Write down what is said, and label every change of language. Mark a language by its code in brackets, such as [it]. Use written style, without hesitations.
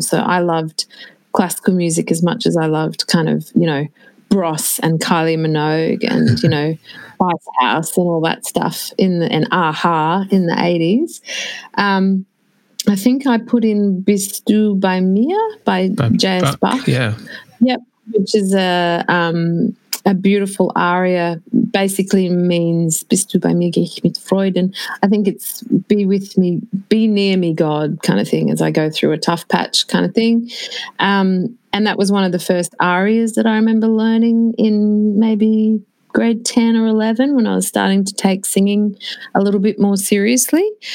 [en] So I loved classical music as much as I loved kind of, you know, Bros and Kylie Minogue and, you know, White House and all that stuff in the 80s. I think I put in Bistou by Mia by J.S. Bach. Yeah. Yep. Which is a beautiful aria, basically means [de] Bist du bei mir, geh ich mit Freuden. [en] I think it's be with me, be near me, God, kind of thing, as I go through a tough patch kind of thing. And that was one of the first arias that I remember learning in maybe grade 10 or 11 when I was starting to take singing a little bit more seriously.